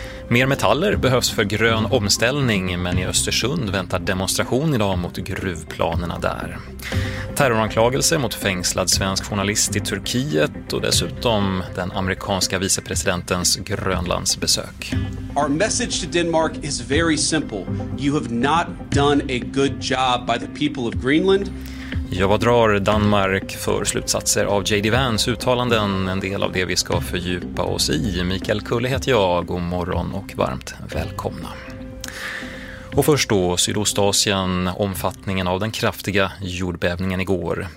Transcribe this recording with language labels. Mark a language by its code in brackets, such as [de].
[sv] Mer metaller behövs för grön omställning men i Östersund väntar demonstration idag mot gruvplanerna där. Terroranklagelse mot fängslad svensk journalist i Turkiet och dessutom den amerikanska vicepresidentens Grönlandsbesök. [en] Our message to Denmark is very simple. You have not done a good job by the people of Greenland. [sv] Jag drar Danmark för slutsatser av J.D. Vans uttalanden, en del av det vi ska fördjupa oss i. Mikael Kulle heter jag, god morgon och varmt välkomna. Och först då, Sydostasien, omfattningen av den kraftiga jordbävningen igår.